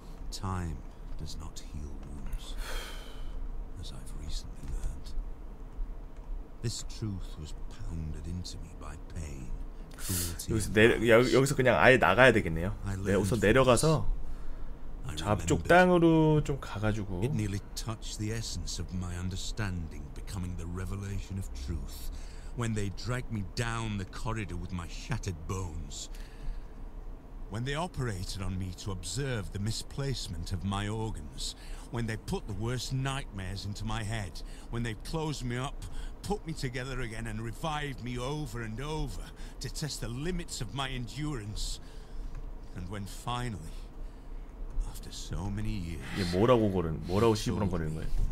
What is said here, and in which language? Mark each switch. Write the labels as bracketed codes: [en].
[en] time does not heal wounds, as I've recently learned. This truth was pounded into me by pain. [ko] 여기서 그냥 아예 나가야 되겠네요. 네, 우선 내려가서 저 앞쪽 땅으로 좀 가가지고. [en] It nearly touched the essence of my understanding, becoming the revelation of truth. When they dragged me down the corridor with my shattered bones. When they operated on me to observe the misplacement of my organs. When they put the worst nightmares into my head. When they closed me up, put me together again and revived me over and over to test the limits of my endurance. And when finally, after so many years, [ko] 이게 뭐라고 고른, 뭐라고 시부렁거리는 거예요?